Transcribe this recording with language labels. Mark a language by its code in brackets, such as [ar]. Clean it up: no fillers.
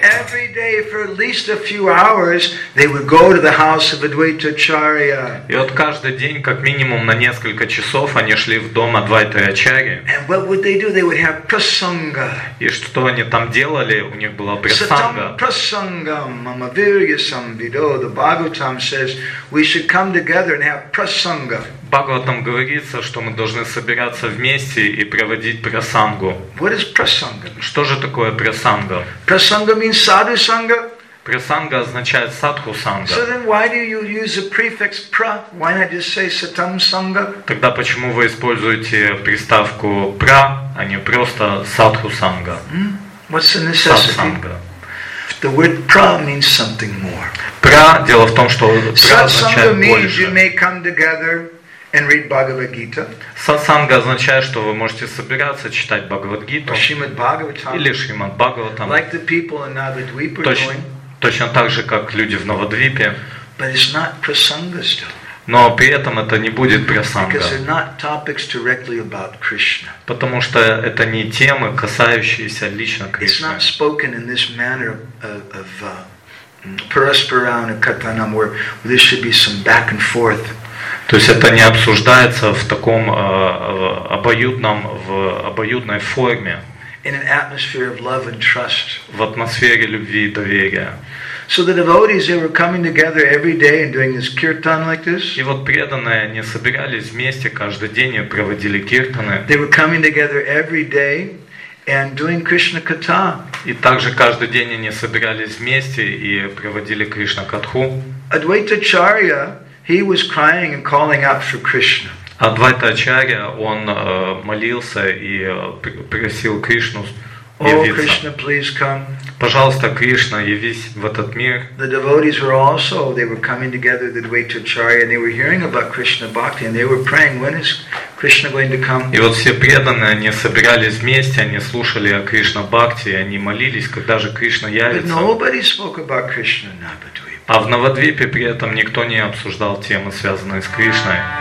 [en] Every day for at least a few hours they would go to the house of Advaita Acharya. [ru] И вот каждый день, как минимум на несколько часов, они шли в дом Адвайты Ачарьи. [en] And what would they do? They would have prasanga. [ru] И что они там делали? У них была прасанга. [sa] Satam prasangam mamavirya samvido. [en] The Bhagavatam says we should come together and have prasanga. [ru] Бхагаватам говорится, что мы должны собираться вместе и проводить прасангу. [en] What is prasanga? [ru] Что же такое прасанга? [en] Prasanga means sadhu sangha. [ru] Прасанга означает садху санга. [en] So then why do you use the prefix pra? Why not just say satam sangha? [ru] Тогда почему вы используете приставку pra, а не просто садху санга? [en] What's the necessity? The word pra means something more. [ru] Pra, дело в том, что pra означает больше. [en] Satsanga means you may come together and read Bhagavad Gita. [ru] Сатсанга означает, что вы можете собираться читать Бхагавад Гиту. Или Шримад Бхагаватам. [en] Like the people in Navadvipa. [ru] Точно так же, как люди в Навадвипе. [en] But it's not prasanga still. [ru] Но при этом это не будет прасанга. [en] Because they're not topics directly about Krishna. [ru] Потому что это не темы, касающиеся лично Кришны. [en] It's not spoken in this manner of paraspurana katanam, where there should be some back and forth. [ru] То есть это не обсуждается в таком обоюдной форме. [en] In an atmosphere of love and trust. [ru] В атмосфере любви и доверия. [en] So the devotees, they were coming together every day and doing this kirtan like this. [ru] И вот преданные, они собирались вместе каждый день и проводили киртаны. [en] They were coming together every day and doing Krishna katha. [ru] И также каждый день они собирались вместе и проводили Кришна катху. [en] Advaita Acharya, he was crying and calling out for Krishna. [ru] Адвайта Ачарья, он молился и просил Кришну явиться. [en] О, Кришна, please come. [ru] Пожалуйста, Кришна, явись в этот мир. [en] The devotees were also, they were coming together to wait to Acharya, and they were hearing about Krishna Bhakti, and they were praying, when is Krishna going to come? [ru] И вот все преданные, они собирались вместе, они слушали о Кришна Бхакти, они молились, когда же Кришна явится. [en] But nobody spoke about Krishna in Navadvipa. [ru] А в Навадвипе при этом никто не обсуждал темы, связанные с Кришной.